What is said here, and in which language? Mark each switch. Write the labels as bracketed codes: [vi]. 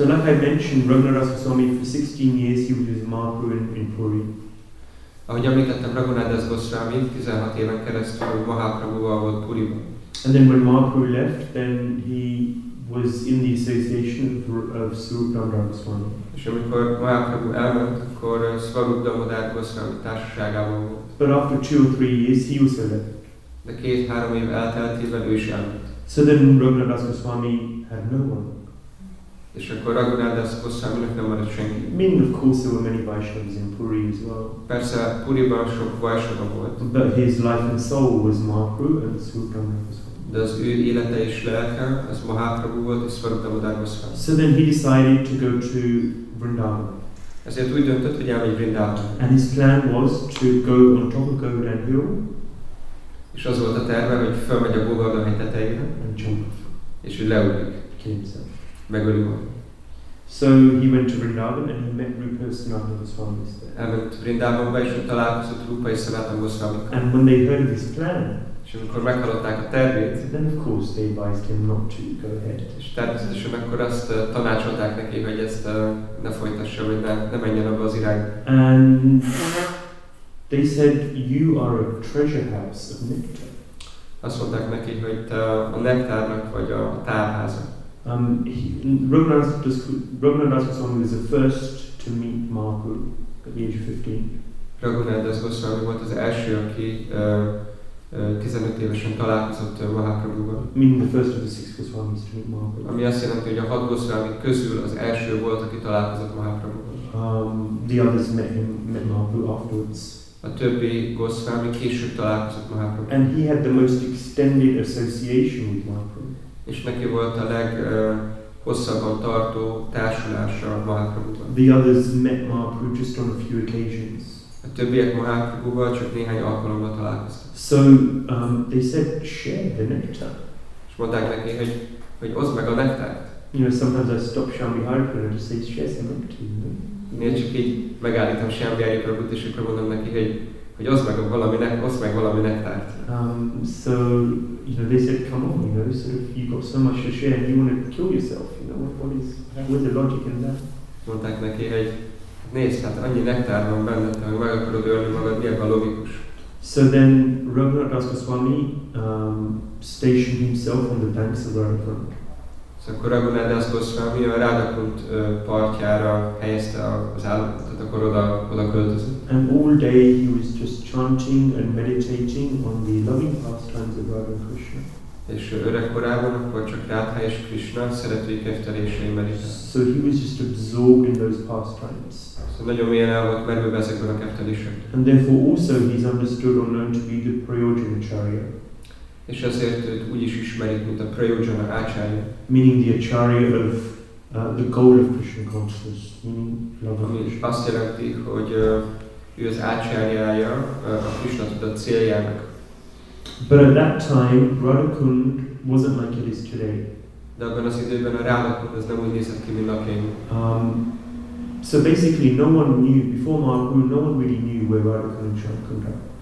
[en] So like I mentioned, Raghunath Das Goswami, for 16 years he was with Mahaprabhu in Puri. [hu] Ahogy említettem, Raghunath Das Goswami 16 éven keresztül Mahaprabhuval volt Puriban. [en] And then when Mahaprabhu left, then he was in the association of Swarup Damodar Goswami. [hu] És amikor Mahaprabhu elment, akkor Swarup Damodar Goswami társaságában volt. [en] But after 2 or 3 years, he also left. [hu] De 2-3 év elteltével ő is elment. [en] So then Raghunath Das Goswami had no one. [hu] És akkor Raghunath Das Goswaminak nem maradt senki. [en] I mean, of course, there were many Vaishnavas in Puri as well. [hu] Persze, Puriban sok Vaishnava volt. [en] But his life and soul was Mahaprabhu and Swarup Damodar Goswami. [hu] De az ő élete és lelke, az Mahaprabhu volt és Swarup Damodar Goswami. [en] So then he decided to go to Vrindavan. [hu] Ezért úgy döntött, hogy elmegy Vrindavan. [en] And his plan was to go on top of Govardhan Hill. [hu] És az volt a terve, hogy felmegy a Govardhan tetejére. [en] And jump. [hu] És hogy leugrik. [en] Kill himself. [hu] Megöli magát. [en] So he went to Vrindavan and he met Rupa Sanatana Goswami there. [hu] Elment Vrindavanba és ő találkozott Rupa és Sanatana Goswamikkal. [en] And when they heard of his plan, [hu] és amikor meghallották a tervét, [en] then of course they advised him not to go ahead. [hu] És természetesen akkor azt tanácsolták neki, hogy ezt ne folytassa, hogy ne menjen abba az irányba. [en] And they said, you are a treasure house of nectar. [hu] Azt mondták neki, hogy te a nektárnak vagy a tárháza. [en] Raghunath Das Goswami was the first to meet Mahaprabhu at the age of 15. [hu] Raghunath Das Goswami volt az első, aki 15 évesen találkozott Mahaprabhuval. [en] Meaning the first of the 6 Goswamis to meet Mahaprabhu. [hu] Ami azt jelenti, hogy a 6 Goswami közül az első volt, aki találkozott Mahaprabhuval. [en] The others met Mahaprabhu afterwards. [hu] A többi Goswami később találkozott Mahaprabhuval. [en] And he had the most extended association with Mahaprabhu. [hu] És neki volt a leghosszabban tartó társulása Mahaprabhuval. [en] The others met Mahaprabhu just on a few occasions. [hu] A többiek Mahaprabhuval csak néhány alkalommal találkoztak. [en] So they said, share the nectar. [hu] És mondták neki, hogy oszd meg a nektárt. [en] You know, sometimes I stop Shambhi Harikrana and just say, share some nectar, you know. [hu] Néha csak így megállítom Shambhi Harikrabhut, és akkor mondom neki, hogy oszd meg valami nektárt. [en] So, you know, they said, come on, you know, sort of, you've got so much to share and you want to kill yourself, you know, what's the logic in that? [hu] Mondták neki, hogy nézd, hát annyi nektár van benned, hogy meg akarod ölni magad, mi ebben a logikus? [en] So then Raghunath Das Goswami stationed himself on the banks of the Radhakund. [hu] So akkor Raghunath Das Goswami a Radhakund partjára helyezte az állapot, tehát akkor oda költözött. [en] And all day he was just chanting and meditating on the loving pastimes of Radha and Krishna. [hu] És öregkorában akkor csak Radha és Krishna szeretői kedvelései meditált. [en] So he was just absorbed in those pastimes. [hu] So nagyon mélyen el volt merülve ezekben a kedvelésekben. [en] And therefore also he is understood or known to be the Prayojana Acharya. [hu] És ezért őt úgy is ismerik, mint a Prayojana Acharya. [en] Meaning the Acharya of the goal of Krishna consciousness, meaning love of Krishna. [hu] Azt jelenti, hogy ő az Acharyája a Krishna tudat céljának. [en] But at that time, Radhakund wasn't like it is today. [hu] De abban az időben a Radhakund az nem úgy nézett ki, mint napjaink. [en] So basically, no one knew, before Mahaprabhu, no one really knew where Radhakund and Shankund are.